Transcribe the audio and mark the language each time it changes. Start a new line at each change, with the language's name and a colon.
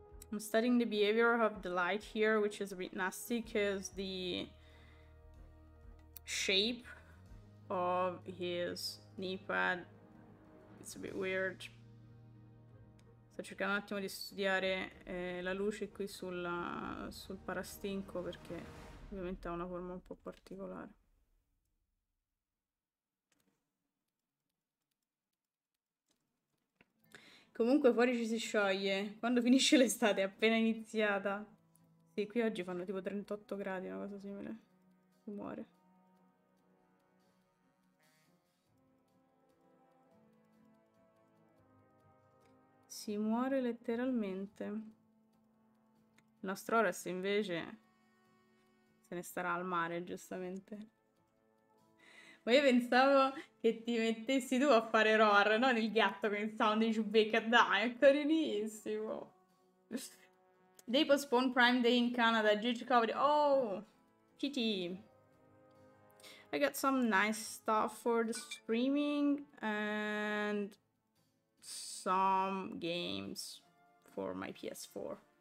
English: I'm studying the behavior of the light here, which is a bit nasty because the shape of his knee pad is a bit weird. So
Italian: cercando un attimo di studiare la luce qui sul parastinco, perché ovviamente ha una forma un po' particolare. Comunque fuori ci si scioglie. Quando finisce l'estate? È appena iniziata. Sì, qui oggi fanno tipo 38 gradi, una cosa simile. Si muore. Si muore letteralmente. Il nostro Horace invece se ne starà al mare, giustamente. Ma io pensavo che ti mettessi tu a fare roar, non il gatto con il sound di Chewbacca. Dai, è carinissimo.
English: They postpone Prime Day in Canada due to COVID. Oh, Kitty. I got some nice stuff for the streaming and some games for my PS4.